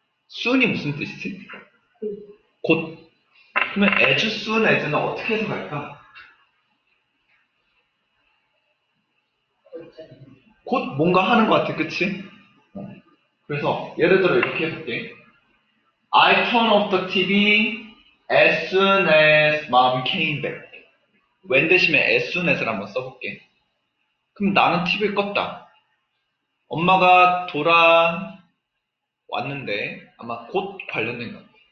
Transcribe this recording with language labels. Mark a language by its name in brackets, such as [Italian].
[Korean] soon이 무슨 뜻이지? 곧. 그러면 as soon as는 어떻게 해서 갈까? 곧 뭔가 하는 것 같아. 그치? 그래서 예를 들어 이렇게 해볼게. [English] I turn off the TV as soon as mom came back. [Korean] when 대신에 as soon as를 한번 써볼게. 그럼 나는 TV를 껐다. 엄마가 돌아왔는데 아마 곧 관련된 것 같아.